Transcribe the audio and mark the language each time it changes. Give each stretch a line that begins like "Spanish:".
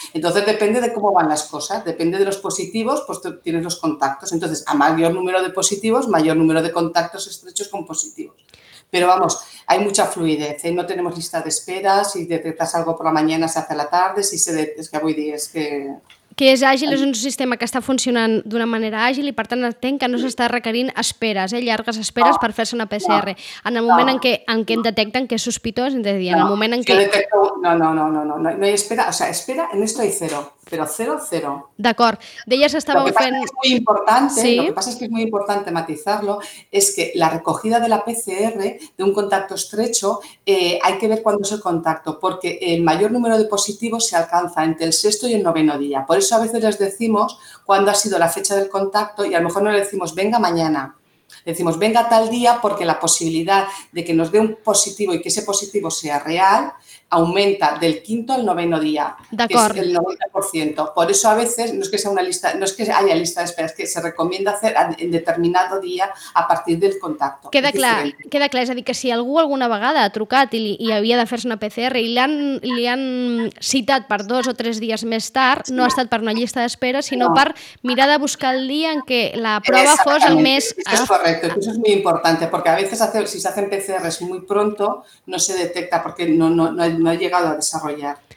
Spanish: Entonces depende de cómo van las cosas, depende de los positivos, pues tú tienes los contactos. Entonces, a mayor número de positivos, mayor número de contactos estrechos con positivos. Pero vamos, hay mucha fluidez, ¿eh? No tenemos lista de espera, si detectas algo por la mañana se hace a la tarde, si se detecta, es que
Catalan: avui dia Que és àgil, és un sistema que està funcionant d'una manera àgil i per tant entenc que no s'està requerint esperes, llargues esperes per fer-se una PCR. En el moment en què en detecten que és sospitós, és a dir, en el moment en què... No hi ha espera,
Spanish: o sea, espera, en esto hay cero, pero cero, cero.
Catalan: D'acord, d'elles estàveu fent...
Spanish: Es muy importante, ¿sí? Lo que pasa es que es muy importante matizarlo, es que la recogida de la PCR, de un contacto estrecho, hay que ver cuándo es el contacto, porque el mayor número de positivos se alcanza entre el sexto y el noveno día. Por eso a veces les decimos cuándo ha sido la fecha del contacto y a lo mejor no le decimos venga mañana, le decimos venga tal día porque la posibilidad de que nos dé un positivo y que ese positivo sea real aumenta del quinto al noveno día, que es el 90%. Por eso a veces no es que sea una lista, no es que haya lista de espera, es que se recomienda hacer en determinado día a partir del contacto.
Catalan: Queda clar, és a dir, que si algú alguna vegada ha trucat i havia de fer-se una PCR i li han citat per 2 o 3 dies més tard, no ha estat per una llista d'espera, sinó per mirar de buscar el dia en què la prova fos el més... Això és correcte, això és molt important, perquè a vegades si se fan PCRs molt pront no se detecta perquè
Spanish: no ha llegado a desarrollar.